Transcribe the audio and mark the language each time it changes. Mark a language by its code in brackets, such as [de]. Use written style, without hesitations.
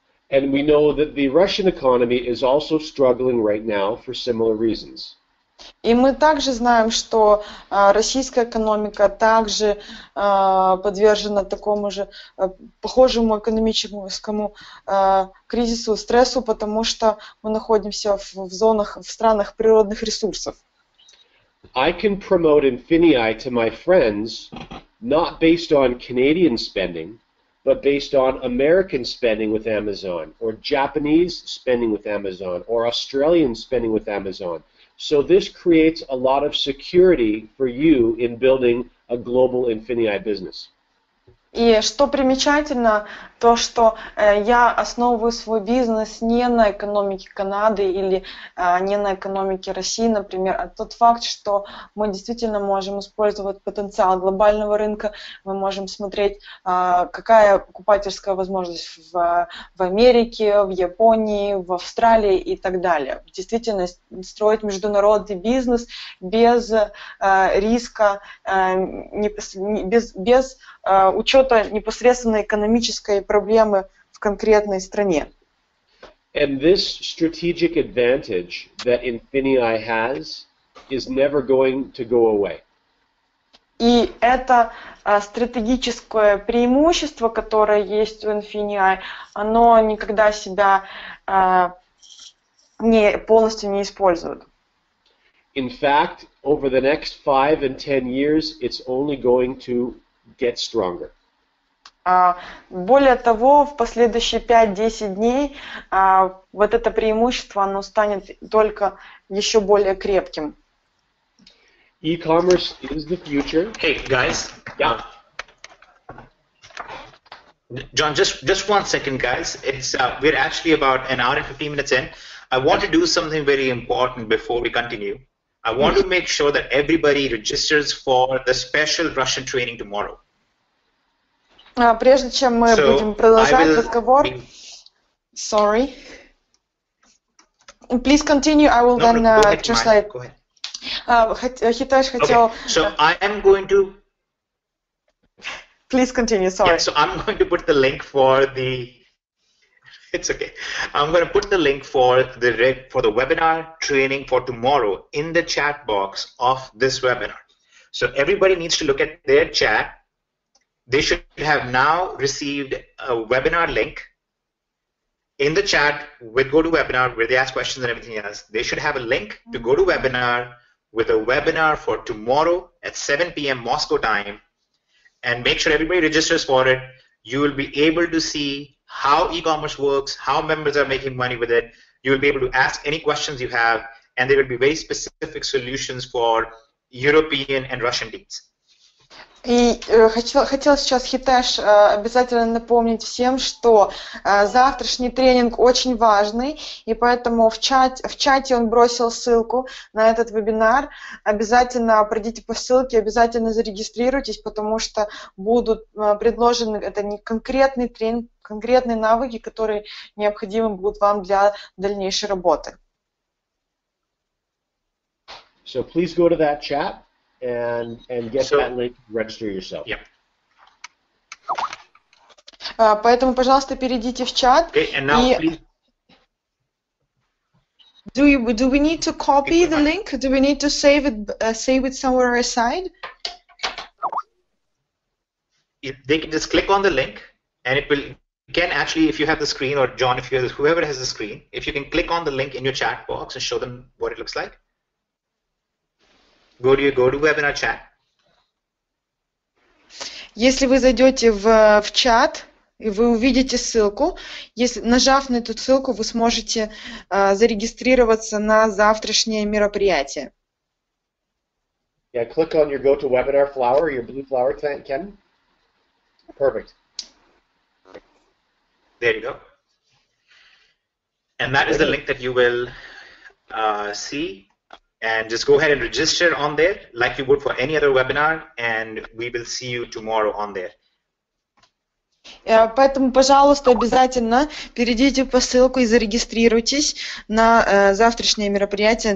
[en] And we know that the Russian economy is also struggling right now for similar reasons. [ru] И мы также знаем, что российская экономика также подвержена такому же похожему экономическому кризису, стрессу, потому что мы находимся в странах природных ресурсов. [en] I can promote Infinii to my friends not based on Canadian spending, but based on American spending with Amazon, or Japanese spending with Amazon, or Australian spending with Amazon. So this creates a lot of security for you in building a global Infinii business. [ru] И что примечательно, то что я основываю свой бизнес не на экономике Канады или не на экономике России, например, а тот факт, что мы действительно можем использовать потенциал глобального рынка, мы можем смотреть, какая покупательская возможность в Америке, в Японии, в Австралии и так далее. Действительно, строить международный бизнес без риска, без учета непосредственно экономической проблемы в конкретной стране. [en] And this strategic advantage that Infinii has is never going to go away. [ru] И это стратегическое преимущество, которое есть у Infinii, оно никогда себя не полностью не использует. [en] In fact, over the next 5 and 10 years, it's only going to get stronger. [ru] Более того, в последующие 5-10 дней вот это преимущество, оно станет только еще более крепким. [en] E-commerce is the future. Hey, guys. Yeah. John, just one second, guys. We're actually about an hour and 15 minutes in. I want to do something very important before we continue. I want to make sure that everybody registers for the special Russian training tomorrow. [ru] Прежде чем мы будем продолжать разговор, [en] sorry, please continue. I will translate. Go ahead. [ru] Хитош хотел. [en] Okay. So I am going to. Please continue. Sorry. Yeah, so I'm going to put the link for the. It's okay. I'm going to put the link for the webinar training for tomorrow in the chat box of this webinar. So everybody needs to look at their chat. They should have now received a webinar link in the chat with GoToWebinar where they ask questions and everything else. They should have a link to GoToWebinar with a webinar for tomorrow at 7 p.m. Moscow time, and make sure everybody registers for it. You will be able to see how e-commerce works, how members are making money with it. You will be able to ask any questions you have, and there will be very specific solutions for European and Russian teams. [ru] И хотела сейчас, Хитеш, обязательно напомнить всем, что завтрашний тренинг очень важный, и поэтому в чате он бросил ссылку на этот вебинар. Обязательно пройдите по ссылке, обязательно зарегистрируйтесь, потому что будут предложены, это не конкретный тренинг, конкретные навыки, которые необходимы будут вам для дальнейшей работы. [en] So please go to that chat and get that link, register yourself. Yep. [ru] Поэтому, пожалуйста, перейдите в чат. [en] Okay, and now, [ru] и... [en] please. Do we need to copy the link? Do we need to save it somewhere aside? They can just click on the link, and it will, again, actually, if you have the screen, or John, if you have, whoever has the screen, if you can click on the link in your chat box and show them what it looks like. Go to webinar chat. [ru] Если вы зайдете в чат, и вы увидите ссылку, если нажав на эту ссылку, вы сможете зарегистрироваться на завтрашнее мероприятие. [en] Yeah, click on your go to webinar flower, your blue flower, Ken. Perfect. There you go. And that is the link that you will see. And just go ahead and register on there, like you would for any other webinar, and we will see you tomorrow on there. [ru] Поэтому, пожалуйста, обязательно перейдите по ссылке и зарегистрируйтесь на завтрашнее мероприятие.